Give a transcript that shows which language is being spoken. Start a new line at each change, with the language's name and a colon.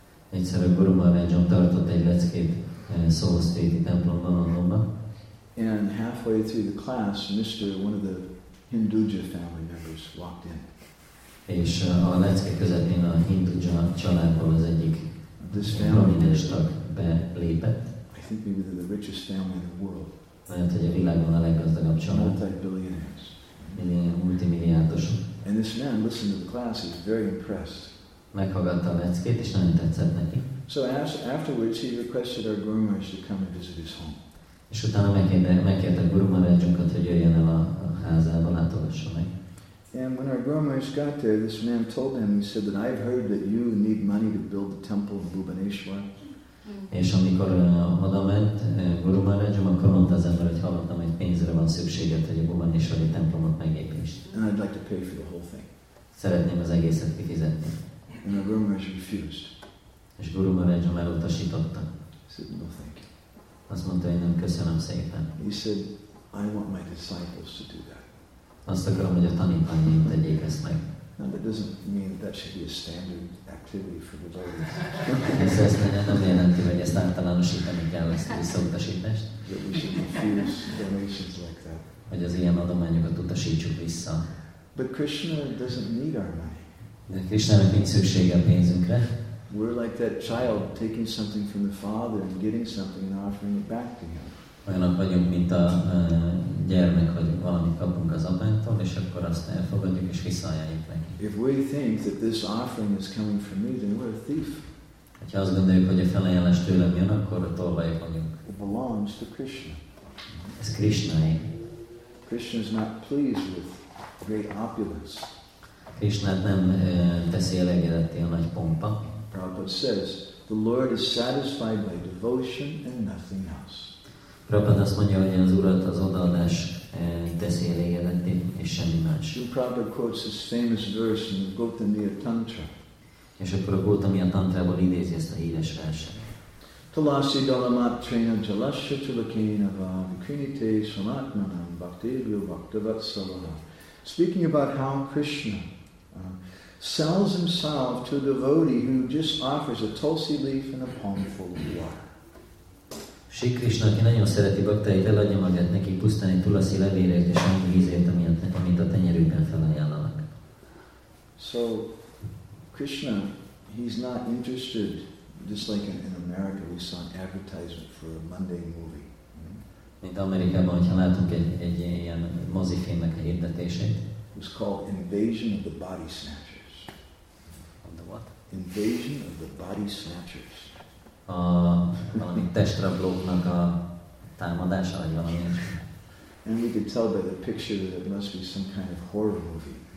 Hungarian: Egyszer a Guru Maharajan tartott egy leckét Soho Street templomban Londonban.
English: And halfway through the class, one of the Hinduja family members walked in.
Hungarian: És a lecke közepén a Hinduja családból az egyik prominens tag belépett.
English: I think maybe they're the richest family in the world.
Hungarian: Lehet, hogy a világon a leggazdagabb család.
English: Multi-billionaires.
Hungarian: Multimilliárdosok.
English: And this man listened to the class, he was very impressed.
Hungarian: Meghallgatta a leckét, és nagyon tetszett neki.
English: So afterwards he requested our Guru Maharaj to come and visit his home.
Hungarian: És utána megkérte a Guru Maharajunkat, hogy jöjjön el a házába, látogassa meg.
English: And when our Guru Maharaj got there, this man told him, he said that I've heard that you need money to build the temple in Bhubaneswar.
Hungarian: És amikor oda ment Guru Maharajom, akkor mondta az ember, hogy hallottam, hogy pénzre van szükséged, hogy a Bhubaneswari templomot megépítsd.
English: And I'd like to pay for the whole thing.
Hungarian: Szeretném az egészet kifizetni.
English: And our Guru Maharaj refused.
Hungarian: És Guru Maharajom elutasította.
English: He said, no, thank you.
Hungarian: Azt mondta, hogy nem, köszönöm szépen.
English: He said, I want my disciples to do that.
Hungarian: Azt akarom, hogy a tanítványaim tegyék ezt meg.
English: No, that doesn't mean that should be a standard activity for the devotees.
Hungarian: Ez azt nem jelenti, hogy ezt általánosítani kell, ezt visszautasítást.
English: That we should refuse donations like that.
Hungarian: Hogy az ilyen adományokat utasítsuk vissza.
English: But Krishna doesn't need our money.
Hungarian: De Krishnának nincs szüksége a pénzünkre.
English: We're like that child taking something from the father and getting something and offering it back to him.
Hungarian: Olyanok vagyunk, mint a gyermek, hogy valamit kapunk az apánktól, és akkor azt elfogadjuk és visszaajánljuk neki.
English: If we think that this offering is coming from me, then we're a thief.
Hungarian: Hogyha azt gondoljuk, hogy a felajánlás tőlem jön, akkor a tolvajok vagyunk.
English: It belongs to Krishna.
Hungarian: Ez Krishnáé.
English: Krishna is not pleased with great opulence.
Hungarian: Krishnát nem teszi elegedetté a nagy pompa.
English: Prabhupada says, the Lord is satisfied by devotion and nothing else.
Hungarian: Prabhupada azt mondja, hogy az Urat az odaadás teszi elégedetté, és semmi más.
English: Prabhupada quotes this famous verse in the Gautamiya Tantra.
Hungarian: És akkor a Gautamiya Tantrából idézi ezt a híres verset.
Sanskrit: Tulasi dalamat trena jalasya chulakena vikrinite sanatmanam bhaktivyo bhaktivatsalana.
English: Speaking about how Krishna sells himself to a devotee who just offers a tulsi leaf and a palm full of water.
Hungarian: Shri Krishna, aki nagyon szereti baktáit, eladja magát neki pusztán egy tulasi levélért és annyi vízért, amit a tenyerükben felajánlanak.
English: So, Krishna, he's not interested, just like in America, we saw an advertisement for a Monday movie.
Hungarian: Mint Amerikában, hogyha látunk egy ilyen mozifilmnek a hirdetését.
English: It was called Invasion of the Body Snatchers. On the what? Invasion of the Body Snatchers.
Hungarian: A valami testrablóknak a támadása, vagy valami.
English: And we could tell by the picture that it must be some kind of horror movie.